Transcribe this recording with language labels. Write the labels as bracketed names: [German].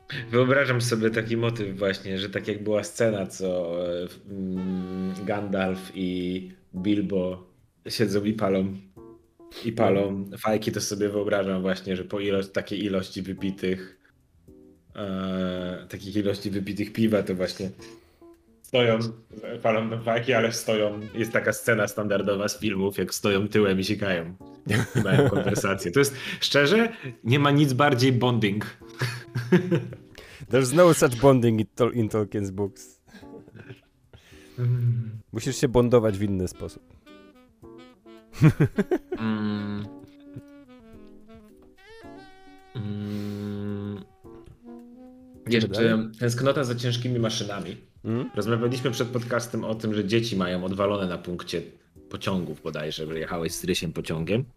[Polish] Wyobrażam sobie taki motyw właśnie, że tak jak była scena, co Gandalf i Bilbo siedzą i palą fajki, to sobie wyobrażam właśnie, że po takiej ilości wypitych piwa, to właśnie stoją, palą do fajki, ale stoją. Jest taka scena standardowa z filmów, jak stoją tyłem i sikają. Mają konwersację. To jest, szczerze, nie ma nic bardziej bonding. [English] There's no such bonding in Tolkien's books. [Polish] Musisz się bondować w inny sposób. Mm. Jeszcze tęsknota za ciężkimi maszynami. Rozmawialiśmy przed podcastem o tym, że dzieci mają odwalone na punkcie pociągów bodajże, że jechałeś z Rysiem pociągiem.